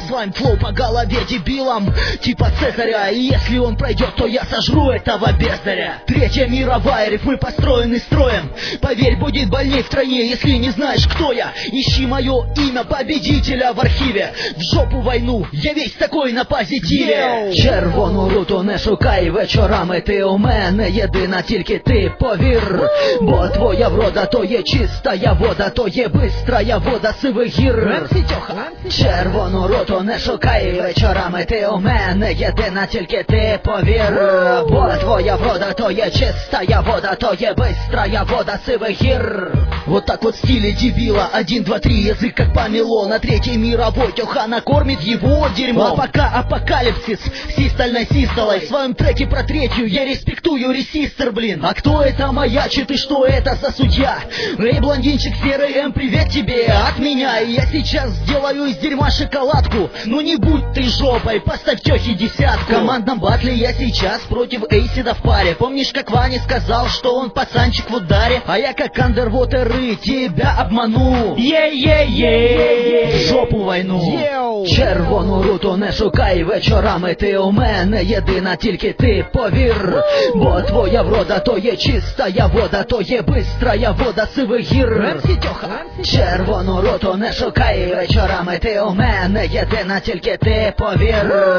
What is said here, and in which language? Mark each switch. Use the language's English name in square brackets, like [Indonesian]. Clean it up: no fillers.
[Russian] Слайм флоу по голове дебилам, типа Цезаря. И если он пройдет, то я сожру этого бездаря. Третья мировая, рифмы построены строем. Поверь, будет больней в стране, если не знаешь, кто я. Ищи мое имя победителя в архиве. В жопу войну, я весь такой на позитиве. [Ukrainian] Червону руту не шукай вечорами, ти у мене єдина, тільки ти повір. Бо твоя врода то є чистая вода, то є бистрая вода сивих гір. Червону роту не шукай вечорами, ти у мене єдина, тільки ти повір. Бо твоя врода то є чистая вода, то є бистрая вода сивих гір. [Russian] Вот так вот в стиле дебила, 1, 2, 3, язык как помело. На третьей мировой Тёха накормит его дерьмо. А пока апокалипсис, систальной систолой. В своем треке про третью я респектую ресистер, блин. А кто это маячит и что это за судья? Эй, блондинчик серый, М, привет тебе от меня. Я сейчас сделаю из дерьма шоколадку. Ну не будь ты жопой, поставь Тёхе десятку. В командном батле я сейчас против Эйсида в паре. Помнишь, как Ваня сказал, что он пацанчик в ударе? А я как Underwater тебя обману. В жопу войну. [Ukrainian] Червону руту не шукай вечорами, ти у мене єдина, тільки ти повір. Бо твоя врода то є чистая вода, то є бистрая вода сивих гір. Червону руту не шукай вечорами, ти у мене єдина, тільки ти повір.